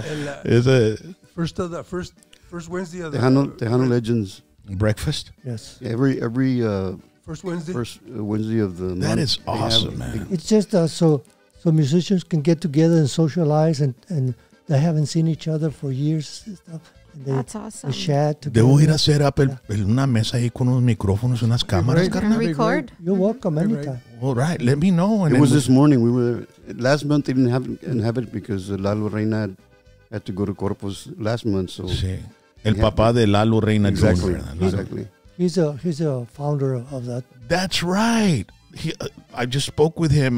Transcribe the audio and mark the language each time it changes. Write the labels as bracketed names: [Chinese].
[English] First Wednesday of the Tejano Legends Breakfast. Yes. First Wednesday of the month. That is awesome, man. It's just so musicians can get together and socialize and. They haven't seen each other for years and stuff. That's awesome. They chat. [Spanish] Debo ir a [English] set up [Spanish] una mesa ahí con unos micrófonos y unas cámaras. [English] Can I record? You're welcome. Anytime. All right. Let me know. It was this morning. We were last month. They didn't have it because Lalo Reyna had to go to Corpus last month. So. [Spanish] Sí. El papá de Lalo Reyna. [English] Exactly. Junior, exactly. He's a founder of that. That's right. I just spoke with him.